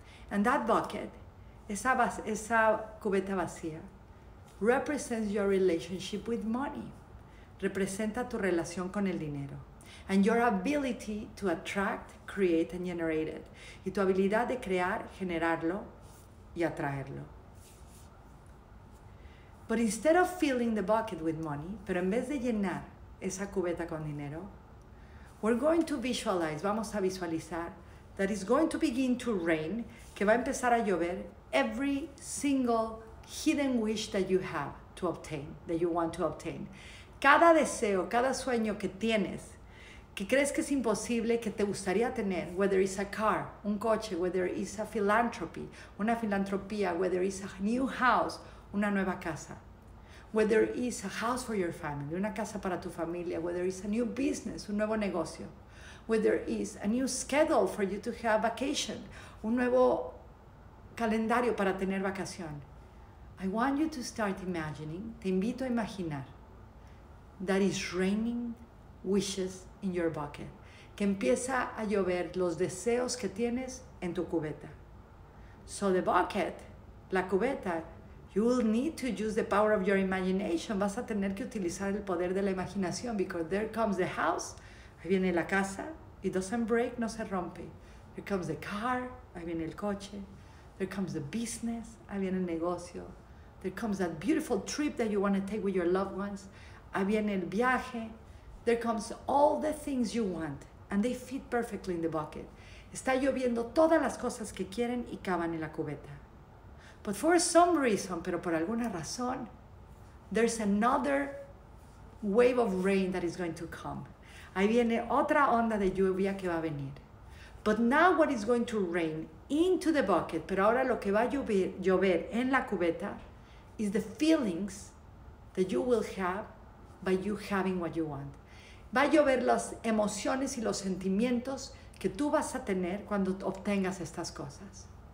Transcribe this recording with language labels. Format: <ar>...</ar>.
<en>And that bucket,</en> <es>esa cubeta vacía,</es> <en>represents your relationship with money.</en> <es>Representa tu relación con el dinero.</es> <en>And your ability to attract, create, and generate it.</en> <es>Y tu habilidad de crear, generarlo y atraerlo.</es> <en>But instead of filling the bucket with money,</en> <es>pero en vez de llenar esa cubeta con dinero,</es> <en>we're going to visualize,</en> <es>vamos a visualizar,</es> <en>that it's going to begin to rain,</en> <es>que va a empezar a llover,</es> <en>every single hidden wish that you have to obtain, that you want to obtain.</en> <es>Cada deseo, cada sueño que tienes, que crees que es imposible, que te gustaría tener,</es> <en>whether it's a car,</en> <es>un coche,</es> <en>whether it's a philanthropy,</en> <es>una filantropía,</es> <en>whether it's a new house,</en> <es>una nueva casa,</es> <en>whether it's a house for your family,</en> <es>una casa para tu familia,</es> <en>whether it's a new business,</en> <es>un nuevo negocio,</es> <en>whether it's a new schedule for you to have vacation,</en> <es>un nuevo calendario para tener vacación.</es> <en>I want you to start imagining,</en> <es>te invito a imaginar,</es> <en>that is raining wishes in your bucket.</en> <es>Que empieza a llover los deseos que tienes en tu cubeta.</es> <en>So the bucket,</en> <es>la cubeta,</es> <en>you will need to use the power of your imagination.</en> <es>Vas a tener que utilizar el poder de la imaginación,</es> <en>because there comes the house,</en> <es>ahí viene la casa,</es> <en>it doesn't break,</en> <es>no se rompe.</es> <en>There comes the car,</en> <es>ahí viene el coche.</es> <en>There comes the business,</en> <es>ahí viene el negocio.</es> <en>There comes that beautiful trip that you want to take with your loved ones.</en> <es>Ahí viene el viaje.</es> <en>There comes all the things you want, and they fit perfectly in the bucket.</en> <es>Está lloviendo todas las cosas que quieren y caben en la cubeta.</es> <en>But for some reason,</en> <es>pero por alguna razón,</es> <en>there's another wave of rain that is going to come.</en> <es>Ahí viene otra onda de lluvia que va a venir.</es> <en>But now what is going to rain into the bucket,</en> <es>pero ahora lo que va a llover en la cubeta,</es> <en>is the feelings that you will have by you having what you want.</en> <es>Va a llover las emociones y los sentimientos que tú vas a tener cuando obtengas estas cosas.</es>